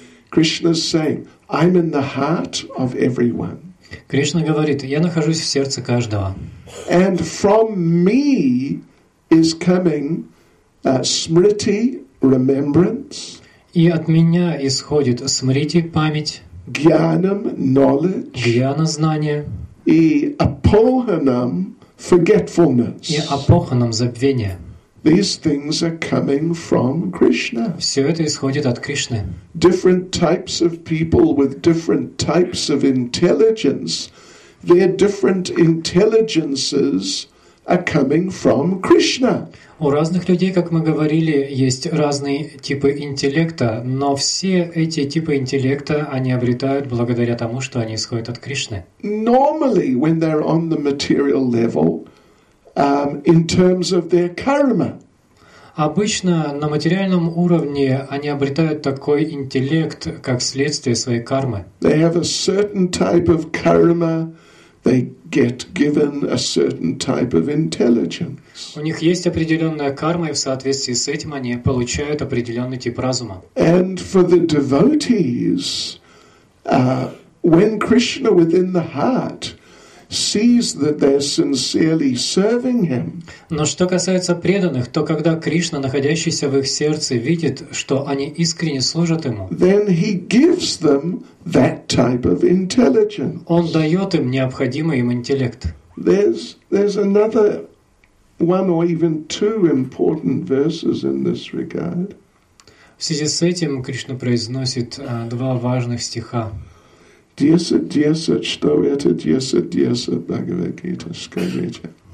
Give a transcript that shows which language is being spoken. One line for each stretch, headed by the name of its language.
English: Krishna's saying, I'm in the heart of everyone.
Russian: Кришна говорит, я нахожусь в сердце каждого.
English: And from me is coming smriti, remembrance.
Russian: И от меня исходит смрити, память.
English: Gyanam, knowledge.
Russian: Гьяна, знание. И
English: апоханам forgetfulness.
Russian: И апоханам забвение.
English: These things are coming from Krishna.
Russian: Все это исходит от Кришны.
English: Different types of people with different types of intelligence, their different intelligences are coming from Krishna.
Russian: У разных людей, как мы говорили, есть разные типы интеллекта, но все эти типы интеллекта они обретают благодаря тому, что они исходят от Кришны.
English: Normally, when they're on the material level, in terms of their karma.
Russian: Обычно на материальном уровне они обретают такой интеллект как следствие своей кармы.
English: They have a certain type of karma. They get given a certain type of intelligence.
Russian: У них есть определенная карма, и в соответствии с этим они получают определенный тип разума.
English: And for the devotees, when Krishna within the heart sees that they're sincerely serving him.
Russian: Но что касается преданных, то когда Кришна, находящийся в их сердце, видит, что они искренне служат ему,
English: then he gives them that type of intelligence.
Russian: Он дает им необходимый им интеллект.
English: There's another one or even two important verses in this regard.
Russian: В связи с этим Кришна произносит два важных стиха. 10:10, что это 10:10 Бхагавад-гита, скажите.